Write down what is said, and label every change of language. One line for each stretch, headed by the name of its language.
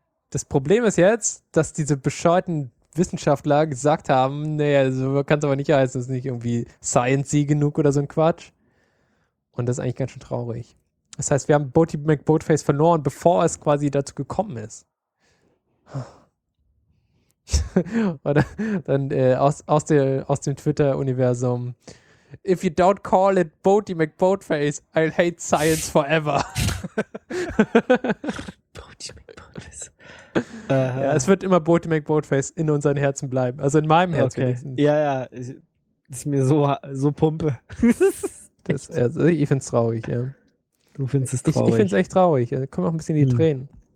German: Das Problem ist jetzt, dass diese bescheuerten Wissenschaftler gesagt haben, naja, so kann es aber nicht heißen, es ist nicht irgendwie science-y genug oder so ein Quatsch. Und das ist eigentlich ganz schön traurig. Das heißt, wir haben Boaty McBoatface verloren, bevor es quasi dazu gekommen ist. Oder dann aus dem Twitter-Universum.
English: If you don't call it Boaty McBoatface, I'll hate science forever. Boaty McBoatface.
German: Ja, es wird immer Boaty McBoatface in unseren Herzen bleiben. Also in meinem Herz. Okay. Wenigstens. Ja, ja. Das ist mir so Pumpe. Das, also ich finde es traurig, ja. Du findest es traurig. Ich finde es echt traurig. Da kommen auch ein bisschen die Tränen.